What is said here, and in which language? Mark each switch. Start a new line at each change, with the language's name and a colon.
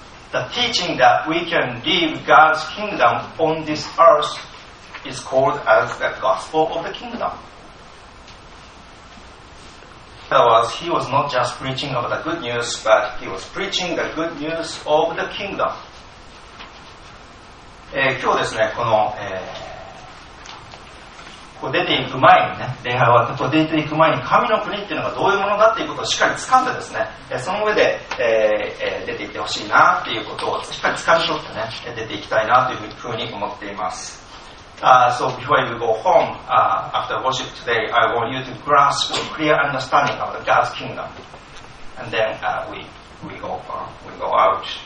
English: The teaching that we can live God's kingdom on this earth is called as the gospel of the kingdom. In other words, he was not just preaching about the good news, but he was preaching the good news of the kingdom.
Japanese: 今日ですね、この、こう出ていく前にね、礼拝終わって出ていく前に神の国っていうのがどういうものだっていうことをしっかりつかんでですね、その上で、出ていってほしいなっていうことをしっかりつかみ取ってね、出ていきたいなというふうに思っています。
English: So before you go home、after worship today, I want you to grasp a clear understanding of God's kingdom and then、we go out.